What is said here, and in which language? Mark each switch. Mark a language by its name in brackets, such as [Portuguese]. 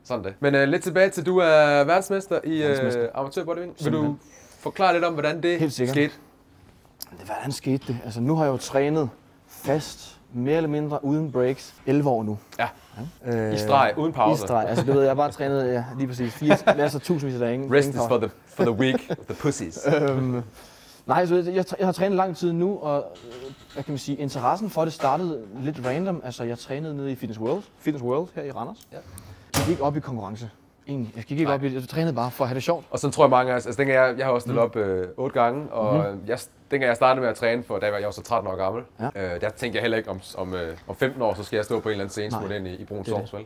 [Danish] Sådan det. Men lidt tilbage til, du er verdensmester i amatør bodybuilding. Vil du forklare lidt om, hvordan det skete? Hvordan skete det? Altså, nu har jeg jo trænet fast. Mere eller mindre uden breaks, 11 år nu. Ja. I streg, uden pause. I streg. Altså, du ved, jeg har bare trænet lige præcis 80, masser af tusindvis af dage. Ingen [English] rest is for the weak, the pussies. [Danish] Nej, altså, jeg har trænet lang tid nu, og hvad kan man sige, interessen for det startede lidt random. Altså, jeg trænede nede i Fitness World her i Randers. Ja. Jeg gik op i konkurrence. Egentlig. Jeg gik ikke op i det. Jeg trænede bare for at have det sjovt. Og så tror jeg mange af os. Altså, dengang jeg har også stillet op 8 gange, og dengang jeg startede med at træne, for da jeg var så 13 år gammel, der tænkte jeg heller ikke om 15 år, så skal jeg stå på en eller anden scene, smule ind i Bruns Sovs, vel?